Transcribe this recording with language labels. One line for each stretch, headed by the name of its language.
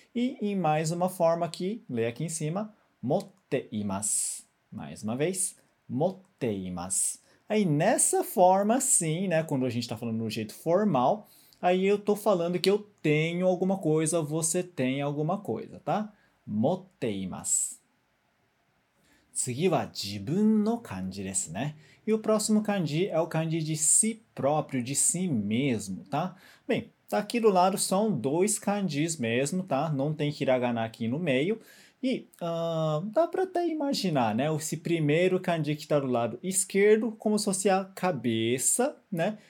Portuguese: E em mais uma forma aqui, lê aqui em cima, motteimasu. Mais uma vez, motteimasu. Aí nessa forma sim, né, quando a gente está falando no jeito formal, aí eu estou falando que eu tenho alguma coisa, você tem alguma coisa, tá? Motteimasu.
Japanese: 次は自分の漢字ですね。
Portuguese: E o próximo kanji é o kanji de si próprio, de si mesmo, tá? Bem, tá aqui do lado são dois kanjis mesmo, tá? Não tem hiragana aqui no meio. E dá para até imaginar, né? Esse primeiro kanji que está do lado esquerdo, como se fosse a cabeça, né?